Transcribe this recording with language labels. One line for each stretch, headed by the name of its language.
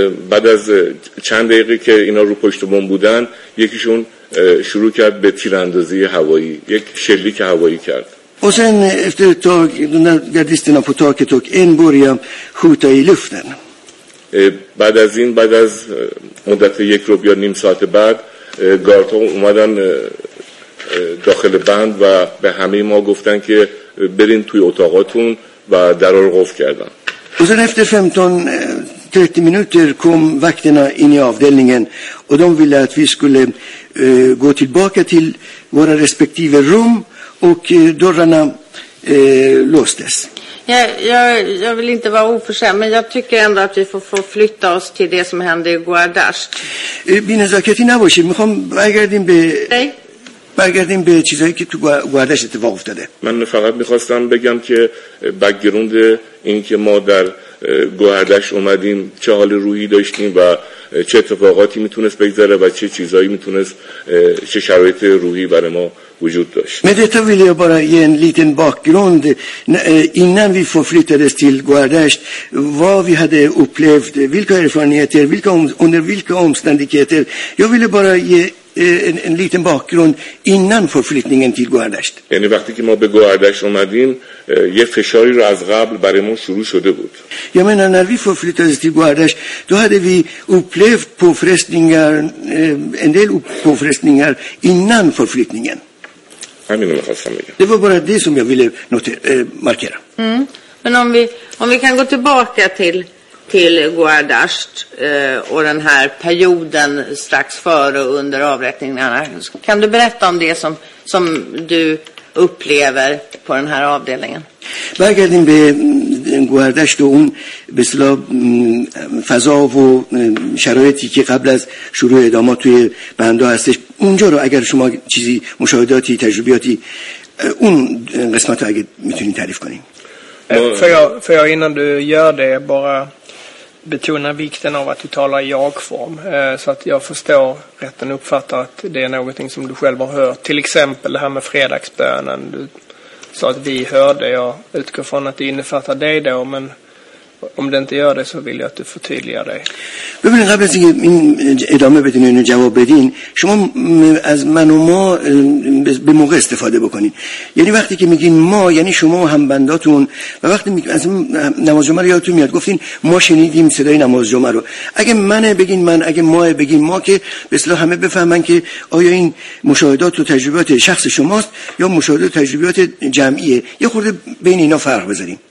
Persian: بعد از چند دقیقه که اینا رو پشت بام بودن یکیشون شروع کرد به تیراندازی هوایی، یک شلیک هوایی کرد.
Swedish: Och sen efter ett tag de gardisterna på taket och en började skjuta i luften.
Persian: بعد از این بعد از مدت یک ربع یا نیم ساعت بعد گاردها اومدن داخل بند و به همه ما گفتن که برین توی اتاقاتون و درا رو قفل کردن.
Swedish: Sen efter 15 30 minuter kom vakterna in i avdelningen och de ville att vi skulle gå tillbaka till våra respektive rum och dörrarna låstes. Jag vill inte vara oförskämd, men jag tycker ändå att vi får flytta oss till det som hände i Gohardasht.
Persian: Bine zaketi nabashid, mikhom bagardim be برگردیم به چیزایی که تو گوهردشت اتفاق افتاده. من فقط میخواستم بگم که بک‌گراند این که ما در گوهردشت اومدیم چه حال روحی داشتیم و چه اتفاقاتی میتونست بگذاره و چه چیزایی میتونست چه شرایط روحی برای ما وجود داشت.
Swedish: Med detta vill jag bara ge en liten bakgrund innan vi förflyttades till Gohardasht, vad vi hade upplevt, vilka erfarenheter, under vilka omständigheter. Jag ville bara ge en liten bakgrund innan förflyttningen till Gohardasht. یعنی وقتی که ما به گوهردشت اومدیم یه فشاری رو از قبل برامون شروع شده بود. Jag menar när vi förflyttades till Gohardasht, då hade vi upplevt påfrestningar, en del påfrestningar innan förflyttningen. Det var bara det som jag ville markera. Men om vi kan gå tillbaka till till Guardasht och den här perioden strax före och under avrättningarna. Kan du berätta om det som du upplever på den här avdelningen?
Persian: برگردیم به گوهردشت و اون به اصطلاح فضا و شرایطی که قبل از شروع اعدامات توی بنده هستش. اونجا رو اگر شما چیزی مشاهداتی تجربیاتی اون قسمت رو اگر میتونین تعریف کنیم.
Swedish: فیا اینان دو یاده بارا betona vikten av att du talar jag-form så att jag förstår rätten uppfattar att det är någonting som du själv har hört. Till exempel det här med fredagsbönen. Du sa att vi hörde. Jag utgår från att det innefattar dig då, men om det inte gör det så vill jag att du förtydligar dig.
Persian: ببین قبل از اینکه این ادامه بدین و اینو جواب بدین، شما از من و ما به موقع استفاده بکنین. یعنی وقتی که میگین ما، یعنی شما و همبنداتون، و وقتی از نماز جمعه رو یادتون میاد، گفتین ما شنیدیم صدای نماز جمعه رو. اگه من بگین من، اگه ما بگین ما، که به اصطلاح همه بفهمن که آیا این مشاهدات و تجربیات شخص شماست یا مشاهدات و تجربیات جمعیه، یه خورده بین اینا فرق بذارین.